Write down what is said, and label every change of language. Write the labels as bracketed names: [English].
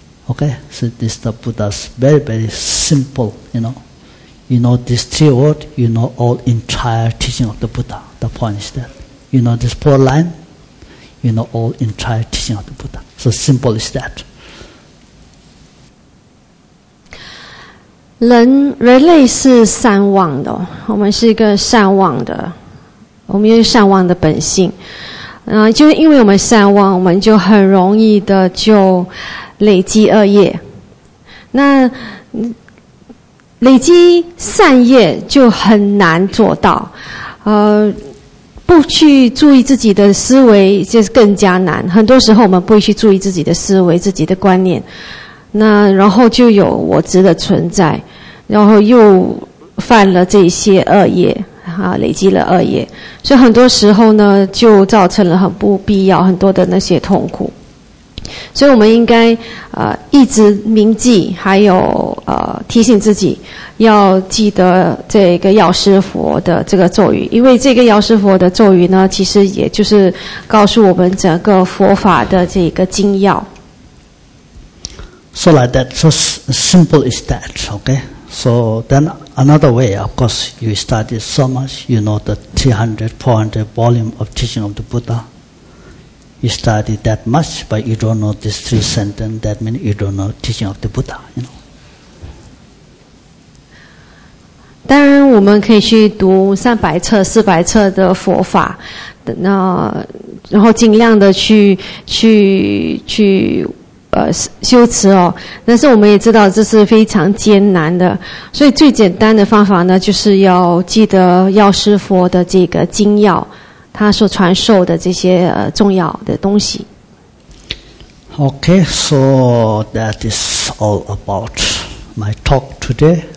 [English] Okay, so this is the Buddha's very, very simple, you know. You know these three words, you know all entire teaching of the Buddha. The point is that. You know this four line, you know all entire teaching of the Buddha. So simple is that. [Chinese] 人类是善忘的，我们是一个善忘的，我们有善忘的本性。就是因为我们善忘，我们就很容易的就累积恶业。那累积善业就很难做到，不去注意自己的思维就是更加难。很多时候我们不去注意自己的思维、自己的观念，那然后就有我执的存在，然后又犯了这些恶业。累积了恶业，所以很多时候呢就造成了很不必要很多的那些痛苦。所以我们应该一直铭记，还有提醒自己要记得这个药师佛的这个咒语，因为这个药师佛的咒语呢其实也就是告诉我们整个佛法的这个精要。 [English] So like that, so simple is that, okay? So then another way, of course, you study so much, you know the 300, 400 volume of teaching of the Buddha. You study that much, but you don't know this three sentence, that means you don't know teaching of the Buddha, you know. [Chinese] 当然我们可以去读300册、400册的佛法，那然后尽量的去修持哦，但是我们也知道这是非常艰难的，所以最简单的方法呢就是要记得药师佛的这个精要，他所传授的这些重要的东西。 [English] OK, so that is all about my talk today.